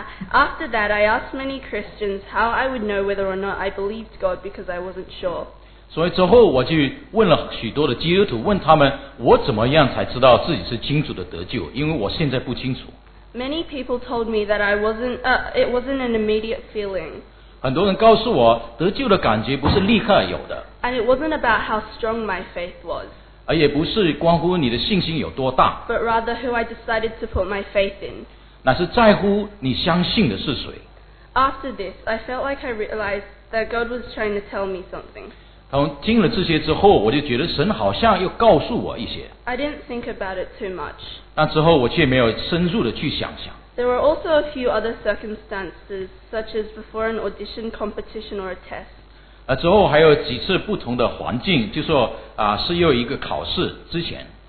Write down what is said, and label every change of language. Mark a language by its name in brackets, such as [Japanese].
[English] After that, I asked many Christians how I would know whether or not I believed God because I wasn't sure. [Chinese] 所以之后我就问了许多的基督徒，问他们我怎么样才知道自己是清楚的得救，因为我现在不清楚。 [English] Many people told me that I wasn't, it wasn't an immediate feeling. [Chinese] 很多人告诉我得救的感觉不是立刻有的。 [English] And it wasn't about how strong my faith was. [Chinese] 而也不是关乎你的信心有多大。 [English] But rather who I decided to put my faith in. [Chinese] 那是在乎你相信的是谁。 [English] After this, I felt like I realized that God was trying to tell me something. [Chinese] 听了这些之后，我就觉得神好像又告诉我一些。 [English] I didn't think about it too much. [Chinese] 那之后我却没有深入的去想象。 [English] There were also a few other circumstances, such as before an audition, competition, or a test. [Chinese] 之后还有几次不同的环境，就说是有一个考试之前。